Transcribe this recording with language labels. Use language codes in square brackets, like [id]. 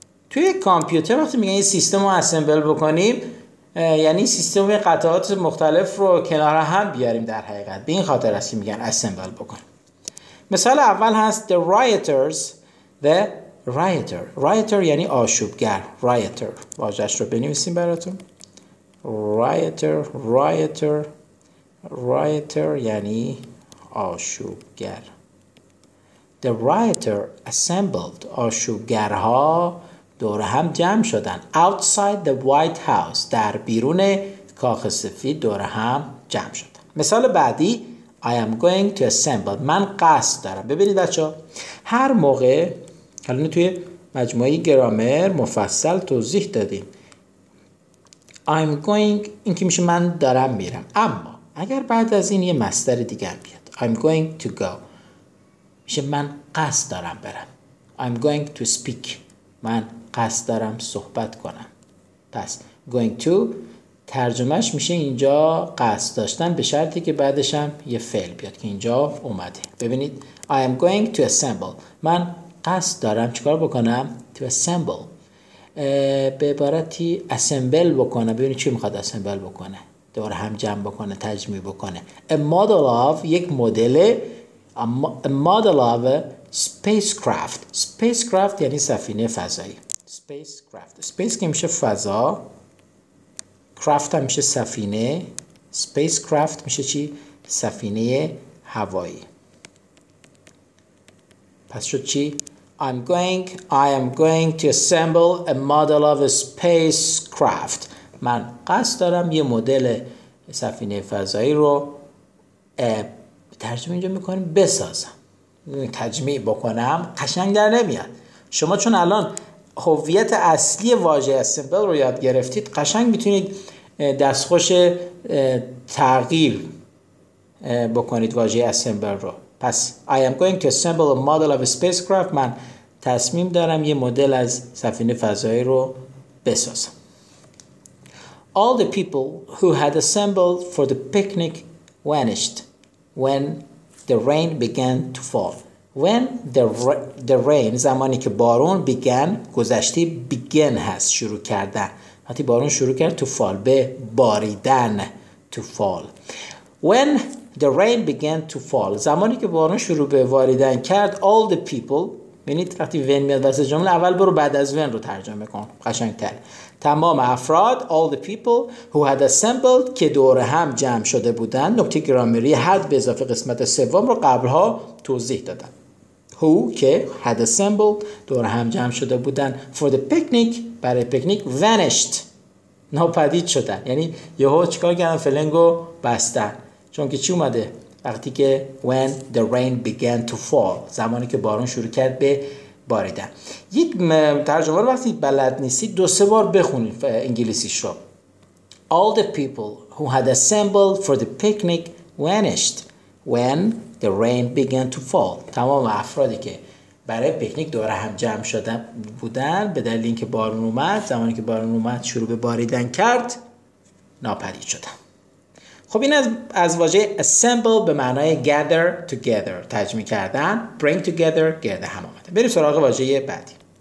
[fa] توی کامپیوتر وقتی میگن این سیستم رو اسمبل بکنیم، یعنی سیستم قطعات مختلف رو کنار هم بیاریم. در حقیقت به این خاطر است که میگن اسمبل بکن. مثال اول هست the rioters، the rioter، rioter یعنی آشوبگر، rioter واژه‌اش رو بنویسیم براتون. rioter، rioter، rioter یعنی آشوبگر. [en] The rioter assembled، [fa] آشوبگرها دور هم جمع شدن. [en] Outside the White House، [fa] در بیرون کاخ سفید دور هم جمع شدن. مثال بعدی، [en] I am going to assemble، [fa] من قصد دارم. ببینید بچه ها، هر موقع، حالا توی مجموعه گرامر مفصل توضیح دادیم، [en] I'm going، [fa] این که میشه من دارم میرم. اما اگر بعد از این یه مصدر دیگه هم بیاد، [en] I'm going to go، [fa] میشه من قصد دارم برم. [en] I'm going to speak، [fa] من قصد دارم صحبت کنم. پس going to ترجمهش میشه اینجا قصد داشتن، به شرطی که بعدش هم یه فعل بیاد که اینجا اومده. ببینید، [en] I am going to assemble، [fa] من قصد دارم چیکار بکنم؟ [en] to assemble، [fa] به عبارتی assemble بکنم. ببینید چی میخواد assemble بکنه؟ دور هم جمع بکنه، تجمیع بکنه. [en] A model of، [fa] یک مدل، [en] a model of spacecraft. [fa] spacecraft یعنی سفینه فضایی. spacecraft، space که میشه فضا، craft هم میشه سفینه، spacecraft میشه چی؟ سفینه هوایی. پس شد چی؟ [en] I am going to assemble a model of a spacecraft، [fa] من قصد دارم یه مدل سفینه فضایی رو ترجمه اینجا میکنیم بسازم، تجمیع بکنم. قشنگ در نمیاد. شما چون الان هویت اصلی واژه اسمبل رو یاد گرفتید، قشنگ میتونید دستخوش تغییر بکنید واژه اسمبل رو. پس [en] I am going to assemble a model of a spacecraft، [fa] من تصمیم دارم یه مدل از سفینه فضایی رو بسازم. [en] All the people who had assembled for the picnic vanished when the rain began to fall. When the rain، [fa] زمانی که بارون، began، گذشته begin هست، شروع کردن. وقتی بارون شروع کرد، [en] to fall، [fa] به باریدن، to fall. [en] When the rain began to fall، [fa] زمانی که بارون شروع به باریدن کرد، [en] all the people، [fa] ببینید وقتی when میاد وسط جمله، اول برو بعد از when رو ترجمه کن، قشنگ‌تر. تمام افراد، [en] all the people who had assembled، [fa] که دور هم جمع شده بودن. نکته گرامری had به اضافه قسمت سوم رو قبلها توضیح دادن. Who که [en] had assembled، [fa] دور هم جمع شده بودن، [en] for the picnic، [fa] برای picnic، vanished، ناپدید شدن. یعنی یهو چیکار کردن؟ فلنگو بستن. چون که چی اومده؟ وقتی که [en] when the rain began to fall، [fa] زمانی که بارون شروع کرد به باریدن. یک ترجمه رو وقتی بلد نیستید دو سه بار بخونید انگلیسیش رو. [en] All the people who had assembled for the picnic vanished when the rain began to fall. [fa] تمام افرادی که برای پیکنیک دور هم جمع شده بودن به دلیل اینکه بارون اومد، زمانی که بارون اومد شروع به باریدن کرد، ناپدید شدن. خب این از واژه assemble به معنای [en] gather together، [fa] تجمیع کردن، [en] bring together، [fa] گرده هم آمده. بریم سراغ واژه بعدی.